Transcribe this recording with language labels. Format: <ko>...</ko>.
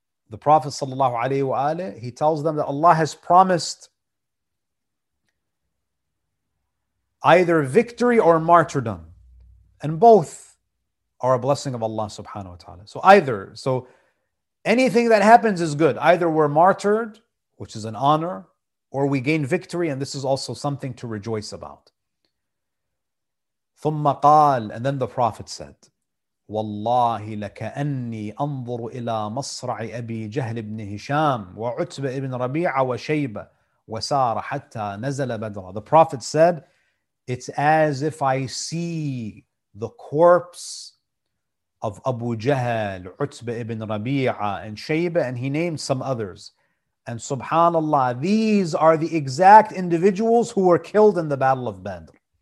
<en>The Prophet sallallahu alaihi wa alihi, he tells them that Allah has promised either victory or martyrdom. And both are a blessing of Allah subhanahu wa ta'ala. So anything that happens is good. Either we're martyred, which is an honor, or we gain victory, and this is also something to rejoice about.</en> <ar>ثم قال,</ar> <en>and then the Prophet said,</en> <ar>والله لكأني أنظر إلى مصرع أبي جهل بن هشام وعتبة بن ربيعة وشيبة وسار حتى نزل بدرا.</ar> <en>The Prophet said, it's as if I see the corpse of Abu Jahl, Utbah ibn Rabi'ah, and Shaybah, and he named some others. And subhanAllah, these are the exact individuals who were killed in the Battle of Badr.</en>